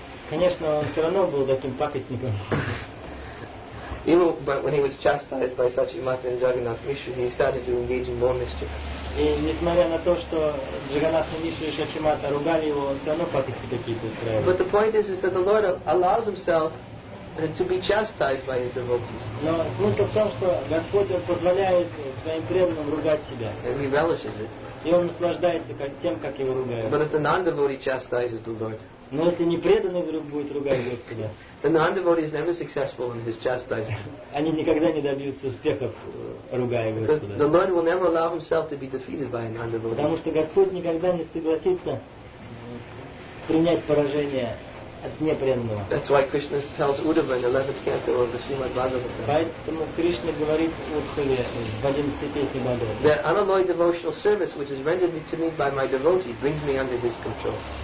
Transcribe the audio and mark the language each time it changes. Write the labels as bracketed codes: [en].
[ru] Конечно, он все равно был таким пакостником. [en] Even when he was chastised by Sakshimata and Jagannath Mishra, he started to engage in more mischief. [ru] И несмотря на то, что Джаганнат Мишра и Сакшимата ругали его, он все равно пакости какие-то устраивал. [en] But the point is that the Lord allows himself to be chastised by his devotees. [ru] Но смысл в том, что Господь позволяет своим преданным ругать себя. [en] And he relishes it. [ru] И он наслаждается тем, как его ругают. [en] But if the non-devotee chastises the Lord. [ru] Но если непреданный вдруг будет ругать Господа, [en] the non-devotee is never successful in his chastisement. [ru] Они никогда не добьются успехов, ругая Господа. [en] The Lord will never allow himself to be defeated by a non-devotee. [ru] Потому что Господь никогда не согласится принять поражение от непреданного. [en] That's why Krishna tells Uddhava in the 11th canto of the Srimad Bhagavatam. [ru] Поэтому Кришна говорит Уддхаве в 11-й песне Бхагавата. [en] That unalloyed devotional service which is rendered to me by my devotee brings me under his control.